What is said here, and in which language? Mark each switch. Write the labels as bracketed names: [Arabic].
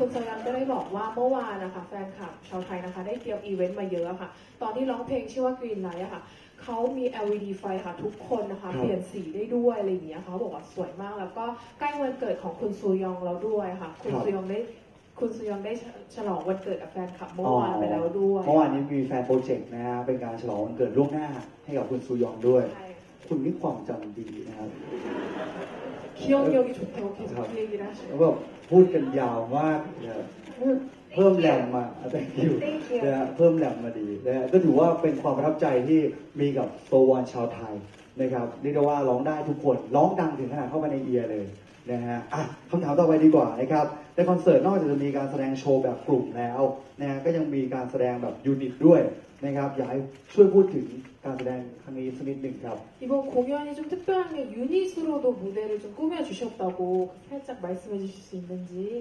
[Thai] ณสยามก็ได้บอกว่าเมื่อวานนะคะแฟนคลับชาวไทยนะคะได้เตรียมอีเวนต์มาเยอะค่ะตอนที่ร้องเพลงชื่อว่ากรีนไลท์อะค่ะเขามี LED ไฟค่ะทุกคนนะคะเปลี่ยนสีได้ด้วยอะไรอย่างเงี้ยเขาบอกว่าสวยมากแล้วก็ใกล้วันเกิดของคุณซูยองเราด้วยค่ะคุณซูยองได้คุณซูยองได้ฉลองวันเกิดกับแฟนคลับเมื่อวานไปแล้วด้วย เมื่อวานนี้มีแฟนโปรเจกต์นะฮะเป็นการฉลองวันเกิดล่วงหน้าให้กับคุณซูยองด้วยคุณนี่ความจำดีนะครับ [Korean] 기억력이좋다고계속얘기를하시 [Thai] 고แบบพูดกันยาวมากเพิ่มแหลมมาอะไรอยู่ นะเพิ่มแหลมมาดีนะก็ถือว่าเป็นความประทับใจที่มีกับโซวันชาวไทยนะครับเรียกได้ว่าร้องได้ทุกคนร้องดังถึงขนาดเข้าไปในเอียร์เลยนะฮะอ่ะคำถามต่อไปดีกว่านะครับในคอนเสิร์ตนอกจากจะมีการแสดงโชว์แบบกลุ่มแล้วนะฮะก็ยังมีการแสดงแบบยูนิตด้วยนะครับอยากให้ช่วยพูดถึงการแสดงครั้งนี้สักนิดหนึ่งครับ [Korean] 이번 공연이 좀 특별한 게 유닛으로도 무대를 좀 꾸며 주셨다고 살짝 말씀해 주실 수 있는지